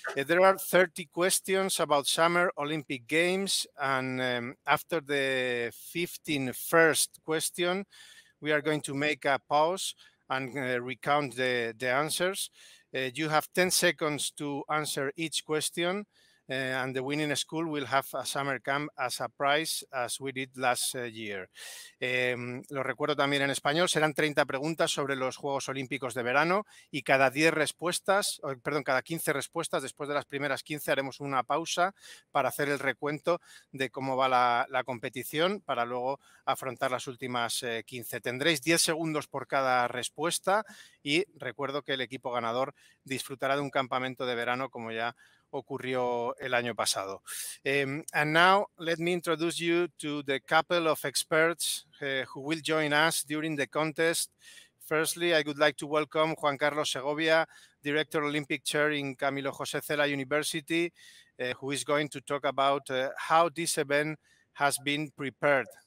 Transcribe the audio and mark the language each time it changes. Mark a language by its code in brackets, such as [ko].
[en] There are 30 questions about Summer Olympic Games, and after the 15th first question, we are going to make a pause and recount the answers. You have 10 seconds to answer each question, and the winning school will have a summer camp as a prize, as we did last year. [es] Lo recuerdo también en español, serán 30 preguntas sobre los Juegos Olímpicos de verano y cada 15 respuestas, después de las primeras 15, haremos una pausa para hacer el recuento de cómo va la competición para luego afrontar las últimas 15. Tendréis 10 segundos por cada respuesta y recuerdo que el equipo ganador disfrutará de un campamento de verano como ya ocurrió el año pasado. [en] And now let me introduce you to the couple of experts who will join us during the contest. Firstly, I would like to welcome Juan Carlos Segovia, Director Olympic Chair in Camilo José Cela University, who is going to talk about how this event has been prepared.